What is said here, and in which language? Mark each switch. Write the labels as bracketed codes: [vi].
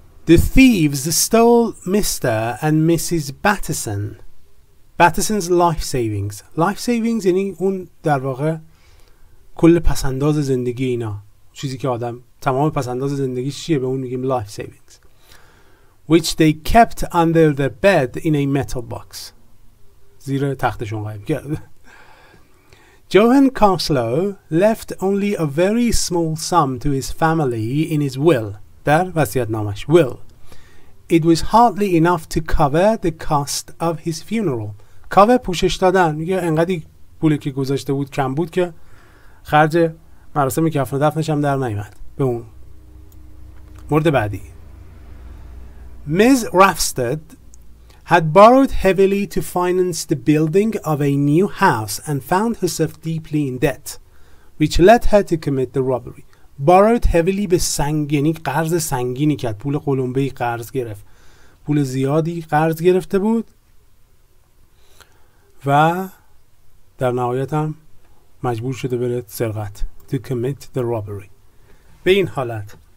[en] The thieves stole Mr. and Mrs. Batterson. Batterson's life savings. [fa] Life savings یعنی اون در واقع کل پسنداز زندگی اینا، چیزی که آدم تمام پسنداز زندگی چیه، به اون میگیم life savings. [en] Which they kept under the bed in a metal box. [fa] زیر تختشون قایم کرد. [en] Johan Carslow left only a very small sum to his family in his will. [fa] در وصیت‌نامه‌اش [en] will. It was hardly enough to cover the cost of his funeral. [fa] Cover پوشش دادن، میگه انقدی پولی که گذاشته بود کم بود که خرج مراسم کفن و دفنش هم در نیامد به اون. مورد بعدی، Ms. [en] Rafstad had borrowed heavily to finance the building of a new house and found herself deeply in debt, which led her to commit the robbery. [fa] Borrowed heavily به سنگ، یعنی قرض سنگینی کرد، پول قلمبه‌ای قرض گرفت، پول زیادی قرض گرفته بود و در نهایت هم مجبور شده بره سرقت، [en] to commit the robbery. [fa] به این حالت.